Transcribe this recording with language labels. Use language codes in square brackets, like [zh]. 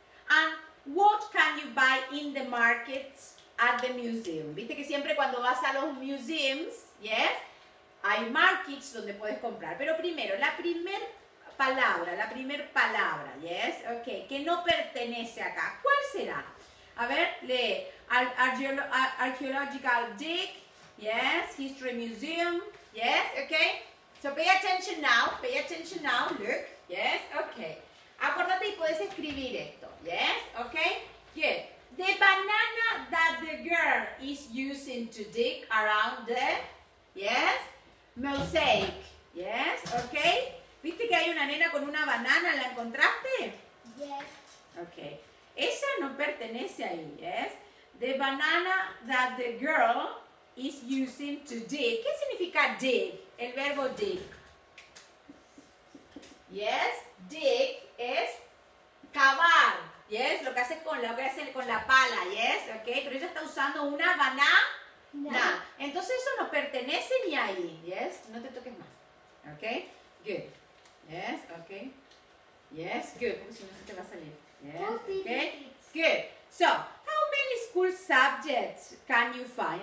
[en] And what can you buy in the markets at the museum? [es] Viste que siempre cuando vas a los museums, yes, hay markets donde puedes comprar. Pero primero, la primer palabra, yes, okay, que no pertenece acá. ¿Cuál será? A ver, lee. [en] Archaeological dig, yes, history museum, yes, okay. So pay attention now, look, yes, okay. [es] Acuérdate y puedes escribir esto, yes, okay, good. [en] The banana that the girl is using to dig around the, yes, mosaic, yes, okay. [es] ¿Viste que hay una nena con una banana? ¿La encontraste? [en] Yes. Okay. [es] Esa no pertenece ahí, [en] yes. The banana that the girl is using to dig. [es] ¿Qué significa dig? El verbo dig. Yes, dig es cavar. Yes, lo que hace con la pala, yes, okay. Pero ella está usando una banana. Entonces eso no pertenece ni ahí, yes. No te toques más. [en] Okay, good. Yes, okay. Yes, good. [es] ¿Cómo si no se te va a salir? [en] Yes, okay. Good. So, how many school subjects can you find?